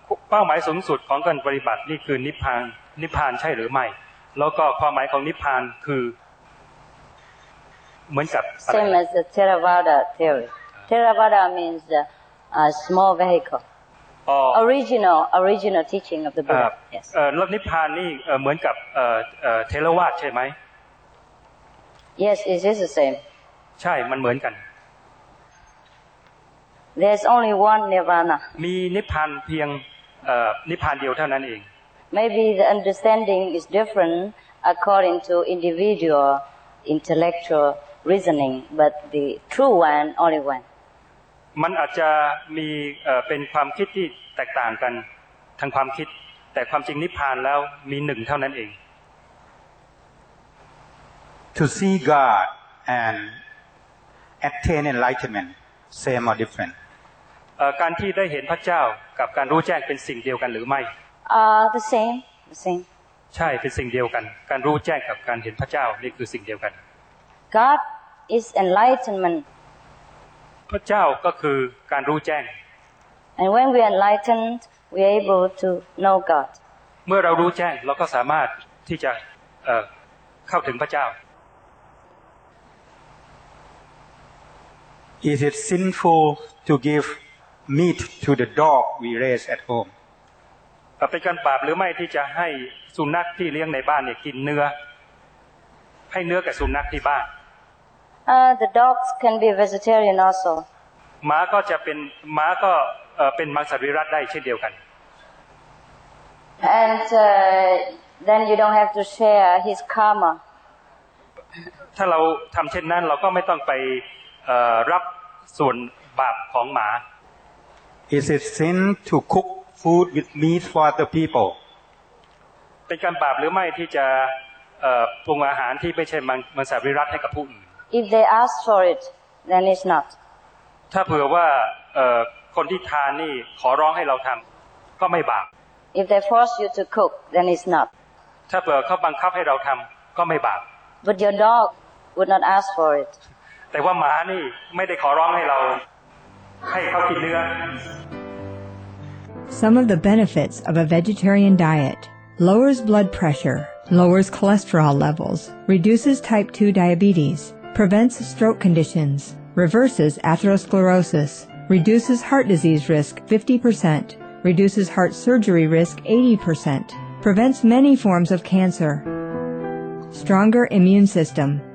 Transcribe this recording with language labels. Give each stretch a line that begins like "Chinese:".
Thai: เป้าหมายสูงสุดของการปฏิบัตินี่คือนิพพานนิพพานใช่หรือไม่แล้วก็ความหมายของนิพพานคือเหมือนกับ
English: Same as the Theravada theory. Theravada means a small vehicle. Original teaching of the Buddha.
Thai: แล้วนิพพานนี่เหมือนกับเทรวาทใช่ไหม
English: Yes, it is the same.
Thai: ใช่มันเหมือนกัน
English: There's only one nirvana.
Thai: มีนิพพานเพียงนิพพานเดียวเท่านั้นเอง
English: Maybe the understanding is different according to individual intellectual reasoning, but the true one, only one.
Thai: มันอาจจะมีเป็นความคิดที่แตกต่างกันทางความคิดแต่ความจริงนิพพานแล้วมีหนึ่งเท่านั้นเอง
English: To see God and attain enlightenment. Same or different?
Thai: การที่ได้เห็นพระเจ้ากับการรู้แจ้งเป็นสิ่งเดียวกันหรือไม่
English: The same.
Thai: ใช่เป็นสิ่งเดียวกันการรู้แจ้งกับการเห็นพระเจ้านี่คือสิ่งเดียวกัน
English: God is enlightenment.
Thai: พระเจ้าก็คือการรู้แจ้ง
English: And when we enlightened, we are able to know God.
Thai: เมื่อเรารู้แจ้งเราก็สามารถที่จะเข้าถึงพระเจ้า
English: Is it sinful to give meat to the dog we raise at home.
Thai: เป็นการบาปหรือไม่ที่จะให้สุนัขที่เลี้ยงในบ้านเนี่ยกินเนื้อให้เนื้อกับสุนัขที่บ้าน
English: The dogs can be vegetarian also.
Thai: หมาก็จะเป็นหมาก็เป็นมังสวิรัติได้เช่นเดียวกัน
English: And then you don't have to share his karma.
Thai: ถ้าเราทำเช่นนั้นเราก็ไม่ต้องไปรับส่วนบาปของหมา
English: Is it sin to cook food with meat for the people?
Thai: เป็นการบาปหรือไม่ที่จะปรุงอาหารที่ไม่ใช่มังสวิรัติให้กับผู้อื่น
English: If they ask for it, then it's not.
Thai: ถ้าเผื่อว่าคนที่ทานนี่ขอร้องให้เราทำก็ไม่บาป
English: If they force you to cook, then it's not.
Thai: ถ้าเผื่อเขาบังคับให้เราทำก็ไม่บาป
English: But your dog would not ask for it.
Thai: แต่ว่าหมานี่ไม่ได้ขอร้องให้เราให้เขากินเนื้อ
English: Some of the benefits of a vegetarian diet lowers blood pressure, lowers cholesterol levels, reduces type 2 diabetes, prevents stroke conditions, reverses atherosclerosis, reduces heart disease risk 50%, reduces heart surgery risk 80%, prevents many forms of cancer, stronger immune system.